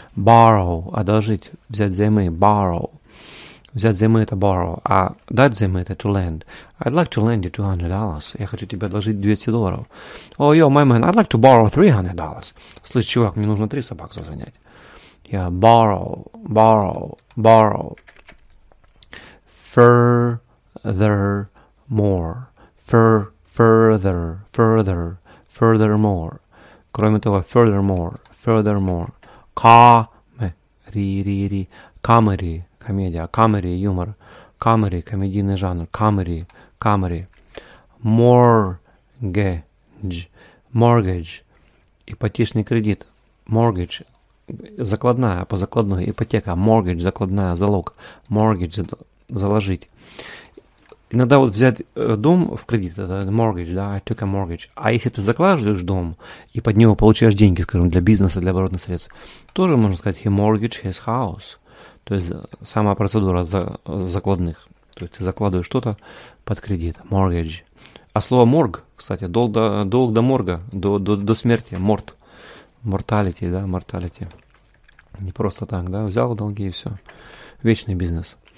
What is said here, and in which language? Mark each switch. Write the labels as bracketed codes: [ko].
[ru] Borrow, одолжить, взять взаймы. [en] Borrow. [ru] Взять взаймы – это borrow. А дать взаймы – это to lend. [en] I'd like to lend you $200. [ru] Я хочу тебе одолжить $200. [en] Oh, yo, my man, I'd like to borrow $300. [ru] Слышь, чувак, мне нужно 3 собак занять. [en] Yeah, borrow, borrow, borrow. Further more. Fur, further, further, further more. [ru] Кроме того, furthermore, furthermore, ka-me-ri-ri-ri, comedy, комедия, comedy, юмор, comedy, комедийный жанр, comedy, comedy, mortgage, mortgage, ипотечный кредит, mortgage, закладная, по закладной, ипотека, mortgage, закладная, залог, mortgage, заложить. Иногда вот взять дом в кредит, это mortgage, да, [en] I took a mortgage. [ru] А если ты закладываешь дом и под него получаешь деньги, скажем, для бизнеса, для оборотных средств, тоже можно сказать [en] he mortgaged his house. [ru] То есть сама процедура закладных. То есть ты закладываешь что-то под кредит, mortgage. А слово морг, кстати, долг до морга, до смерти, mort. [en] Mortality, да, mortality. [ru] Не просто так, да, взял долги и все. Вечный бизнес.